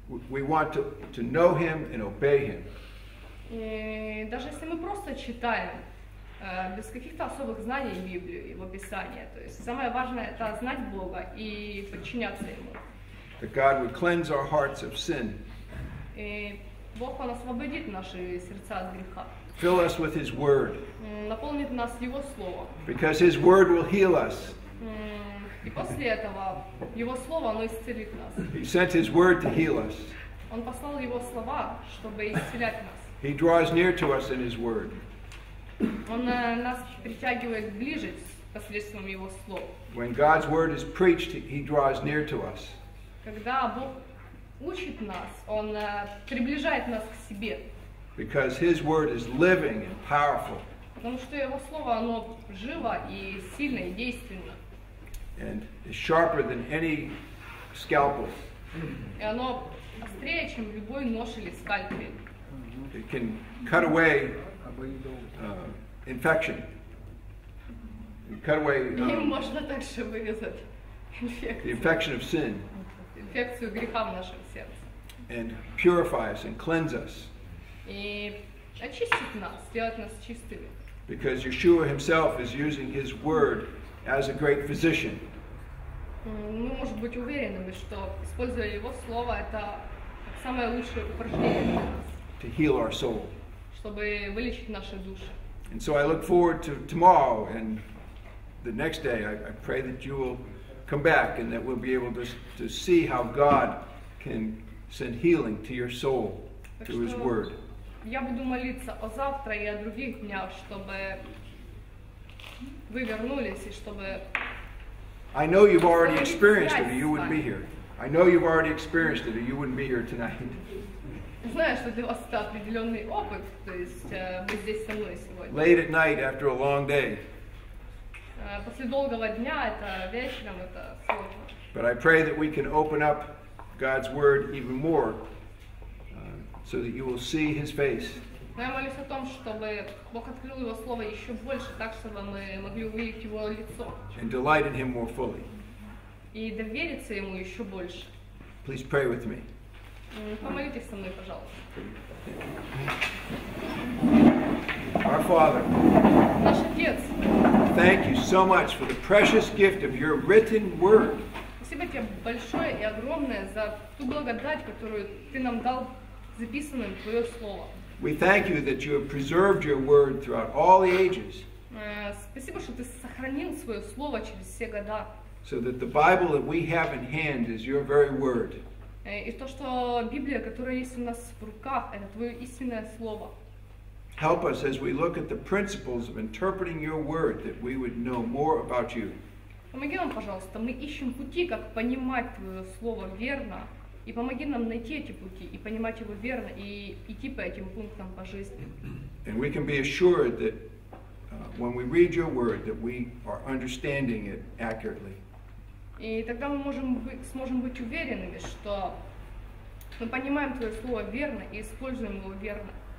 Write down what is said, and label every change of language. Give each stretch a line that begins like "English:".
English: We want to know Him and obey Him.
Russian: И даже если мы просто читаем без каких-то особых знаний Библию, Его Писание, то есть самое важное — это знать Бога и подчиняться Ему.
English: That God would cleanse our hearts of sin.
Russian: И Бог, Он освободит наши сердца от греха.
English: Fill us with His Word.
Russian: Наполнит нас Его Словом.
English: Because His Word will heal us.
Russian: И после этого Его Слово, оно исцелит нас.
English: He sent His Word to heal us.
Russian: Он послал Его Слова, чтобы исцелять нас.
English: He draws near to us in His Word.
Russian: Он нас притягивает ближе посредством Его Слова.
English: When God's Word is preached, He draws near to us.
Russian: Когда Бог учит нас, Он приближает нас к Себе.
English: Because His Word is living and powerful.
Russian: Потому что Его Слово, оно живо и сильно и действенно.
English: And is sharper than any scalpel.
Russian: И оно острее, чем любой нож или скальпель.
English: It can cut away infection. It cut away
Russian: можно также вырезать инфекцию.
English: The infection of sin.
Russian: Инфекцию греха в нашем сердце.
English: And purify us and cleanse us.
Russian: И очистит нас, сделает нас чистыми.
English: Because Yeshua Himself is using His Word as a great physician.
Russian: Мы можем быть уверены, что используя Его Слово, это самое лучшее упражнение.
English: To heal our soul.
Russian: Чтобы вылечить наши души.
English: And so I look forward to tomorrow and the next day. I pray that you will come back and that we'll be able to see how God can send healing to your soul through His Word.
Russian: Я буду молиться о завтра и о других днях, чтобы вы вернулись и чтобы...
English: I know you've already experienced it, or you wouldn't be here. I know you've already experienced it, or you wouldn't be here tonight.
Russian: Знаю, что для вас это определенный опыт, то есть быть здесь со мной сегодня.
English: Late at night after a long day.
Russian: После долгого дня, это вечером, это сложно.
English: But I pray that we can open up God's Word even more, so that you will see His face.
Russian: Но я молюсь о том, чтобы Бог открыл Его Слово еще больше, так, чтобы мы могли увидеть Его лицо.
English: And delight in Him more fully.
Russian: И довериться Ему еще больше.
English: Please pray with me.
Russian: Помолитесь со мной, пожалуйста.
English: Our Father.
Russian: Наш Отец.
English: Thank you so much for the precious gift of your written word.
Russian: Спасибо тебе большое и огромное за ту благодать, которую ты нам дал, записанную в Твое Слово.
English: We thank you that you have preserved your word throughout all the ages.
Russian: Спасибо, что ты сохранил свое слово через все года.
English: So that the Bible that we have in hand is your very word.
Russian: И то, что Библия, которая есть у нас в руках, это твое истинное слово.
English: Help us as we look at the principles of interpreting your word that we would know more about you.
Russian: Помоги нам, пожалуйста, мы ищем пути, как понимать твое слово верно. И помоги нам найти эти пути, и понимать его верно, и идти по этим пунктам по жизни.
English: And we can be assured that when we read your word, that we are understanding it accurately.
Russian: И тогда мы сможем быть уверенными, что мы понимаем твое слово верно и используем его верно.